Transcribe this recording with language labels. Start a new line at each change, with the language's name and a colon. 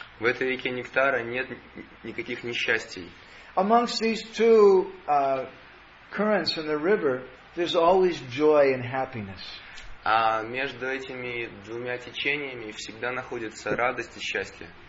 Russian: В этой реке нектара нет никаких несчастий.
English: Amongst these two currents in the river, there's always joy and happiness.
Russian: А между этими двумя течениями всегда находится радость и счастье.